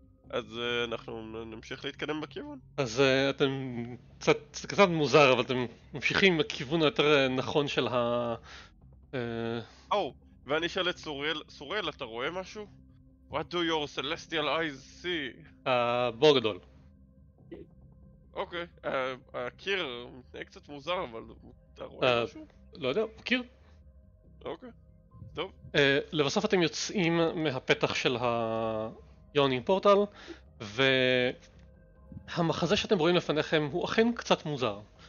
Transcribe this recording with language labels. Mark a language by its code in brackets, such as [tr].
[he] אז אנחנו נמשיך להתקדם בכיוון. אז אתם קצת מוזר, אבל אתם ממשיכים בכיוון היותר נכון של ה... או, ואני אשאל את סוריאל, סוריאל, אתה רואה משהו? [en] What do your celestial eyes see? [he] הבור גדול. אוקיי, הקיר מתנהג קצת מוזר, אבל אתה רואה משהו? לא יודע, קיר. אוקיי, טוב. לבסוף אתם יוצאים מהפתח של ה... יונינג פורטל, והמחזה שאתם רואים לפניכם הוא אכן קצת מוזר.